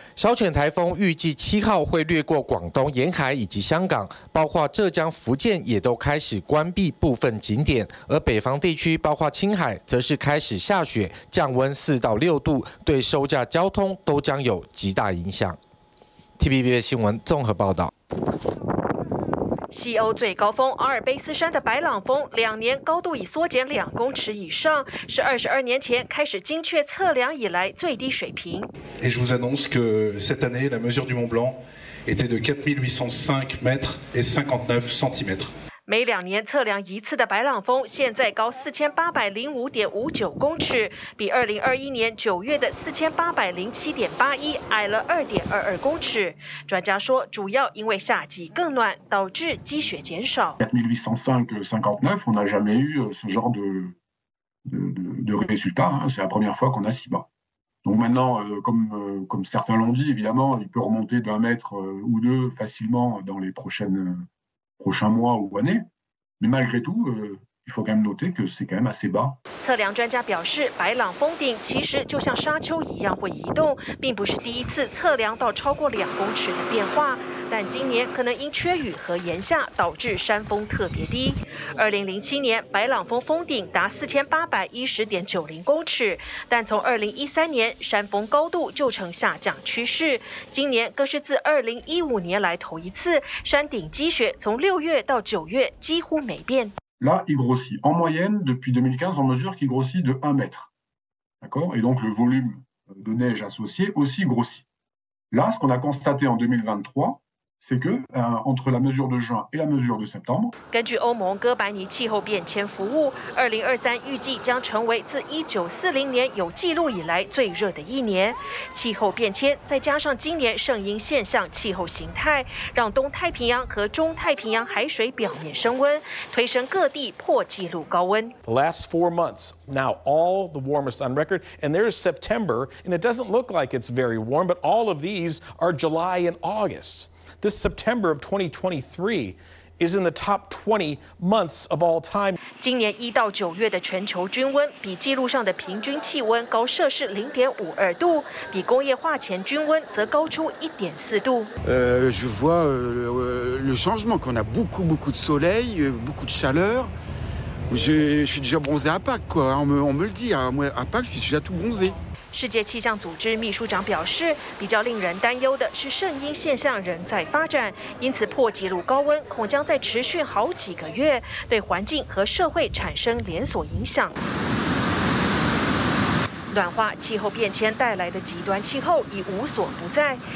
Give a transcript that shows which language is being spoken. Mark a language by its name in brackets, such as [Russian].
[Chinese] 小犬台风预计7号会掠过广东沿海以及香港，包括浙江、福建也都开始关闭部分景点，而北方地区包括青海则是开始下雪，降温4到6度，对收假交通都将有极大影响。 TVBS 新闻综合报道。西欧最高峰阿尔卑斯山的白朗峰两年高度已缩减2公尺以上，是22年前开始精确测量以来最低水平。 [French] Et je vous annonce que cette année, la mesure du Mont Blanc était de 4805 mètres et 59 centimètres。 [Chinese] 每两年测量一次的白朗峰现在高4805.59公尺，比2021年9月的4807.81矮了2.22公尺。专家说，主要因为夏季更暖，导致积雪减少。 [French] 4805.59, on n'a jamais eu ce genre de résultat, c'est la première fois qu'on a si bas. Donc maintenant, comme certains l'ont dit, évidemment, il peut remonter d'un mètre ou deux facilement dans les prochains mois ou années, mais malgré tout, il faut quand même noter que c'est quand même assez bas. [Chinese] 测量专家表示，白朗峰顶其实就像沙丘一样会移动，并不是第一次测量到超过2公尺的变化。但今年可能因缺雨和炎夏导致山峰特别低。 2007年，白朗峰峰顶达4810.90公尺，但从2013年山峰高度就呈下降趋势，今年更是自2015年来头一次，山顶积雪从6月到9月几乎没变。 [French] Là, il grossit. En moyenne, depuis 2015, on mesure qu'il grossit de 1 mètre. D'accord ? Et donc, le volume de neige associé aussi grossit. Là, ce qu'on a constaté en 2023,c'est que, entre la mesure de juin et la mesure de septembre, [Chinese] 根据欧盟哥白尼气候变迁服务，2023预计将成为自1940年有记录以来最热的一年。气候变迁再加上今年圣婴现象气候形态，让东太平洋和中太平洋海水表面升温，推升各地破纪录高温。 [English] The last 4 months, now all the warmest on record, and there's September, and it doesn't look like it's very warm, but all of these are July and August. This September of 2023 is in the top 20 months of all time. [Chinese] 今年一到九月的全球均温比记录上的平均气温高摄氏0.52度，比工业化前均温则高出1.4度。 [French] Je vois le changement qu'on a beaucoup de soleil, beaucoup de chaleur. Je suis déjà bronzé à Pâques, quoi. On me le dit. Moi, à Pâques, je suis déjà tout bronzé. [Chinese] 世界气象组织秘书长表示，比较令人担忧的是圣婴现象仍在发展，因此破纪录高温恐将再持续好几个月，对环境和社会产生连锁影响。暖化、气候变迁带来的极端气候已无所不在。